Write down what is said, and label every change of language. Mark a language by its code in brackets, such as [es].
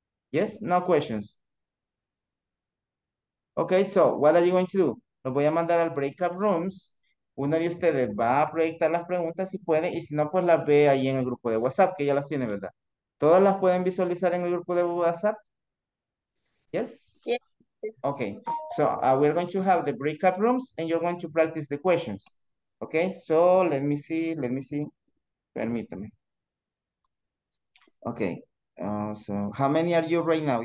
[en] Yes, no questions. Okay, so what are you going to do? [es] Los voy a mandar al breakout rooms. Uno de ustedes va a proyectar las preguntas si puede, y si no, pues las ve ahí en el grupo de WhatsApp, que ya las tiene, ¿verdad? ¿Todas las pueden visualizar en el grupo de WhatsApp? [en] Yes? Yes. Okay, so we're going to have the breakout rooms, and you're going to practice the questions. Okay, so let me see. [es] Permítame. [en] Okay, so how many are you right now?